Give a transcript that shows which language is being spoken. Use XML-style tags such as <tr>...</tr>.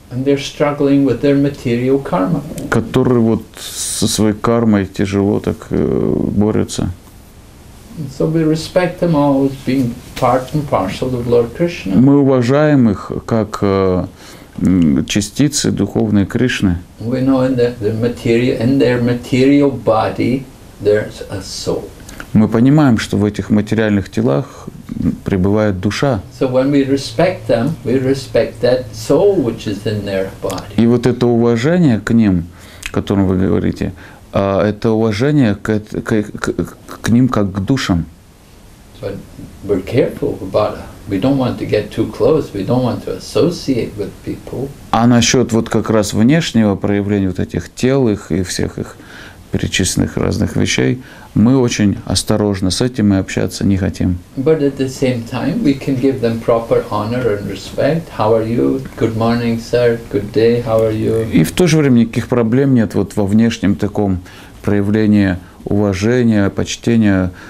<en>And they're struggling with their material karma.</en> <ru>Которые вот со своей кармой тяжело так борются.</ru> <en>So we respect them all as being part and parcel of Lord Krishna.</en> <ru>Мы уважаем их как частицы духовной Кришны.</ru> <en>We know in their material body there's a soul.</en> <ru>Мы понимаем, что в этих материальных телах пребывает душа.</ru> <en>So when we respect them, we respect that soul, which is in their body.</en> <ru>И вот это уважение к ним, о котором вы говорите, это уважение к ним как к душам.</ru> <en>But we're careful about it. We don't want to get too close. We don't want to associate with people.</en> <ru>А насчет вот как раз внешнего проявления вот этих тел их и всех их перечисленных разных вещей, мы очень осторожно с этим и общаться не хотим.</ru> <en>But at the same time, we can give them proper honor and respect. How are you? Good morning, sir. Good day. How are you?</en> <ru>И в то же время никаких проблем нет вот во внешнем таком проявлении уважения, почтения.</ru>